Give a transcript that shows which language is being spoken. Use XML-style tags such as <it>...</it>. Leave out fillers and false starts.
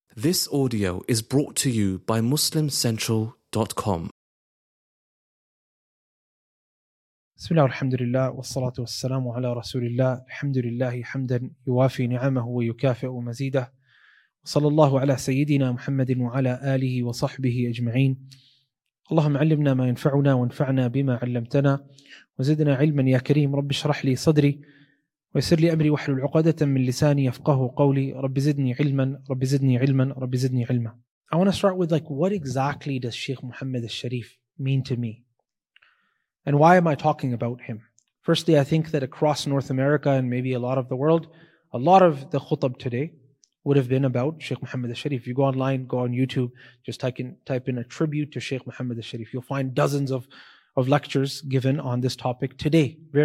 <en>This audio is brought to you by MuslimCentral.com.</en> <ar>بسم الله والحمد لله والصلاة والسلام على رسول الله الحمد لله حمدا يوافي نعمه ويكافئ مزيده صلى الله على سيدنا محمد وعلى آله وصحبه أجمعين. اللهم علمنا ما ينفعنا وانفعنا بما علمتنا وزدنا علما يا كريم. رب اشرح لي صدري ويسر لي أمري واحلل عقدة من لساني يفقه قولي. رب زدني علما رب زدني علما رب زدني علما.</ar> <en>I want to start with like, what exactly does Sheikh Muhammad al-Sharif mean to me? And why am I talking about him? Firstly, I think that across North America and maybe a lot of the world, a lot of the khutab today would have been about Sheikh Muhammad al-Sharif. If you go online, go on YouTube, just type in a tribute to Sheikh Muhammad al-Sharif, you'll find dozens of lectures given on this topic today.</en>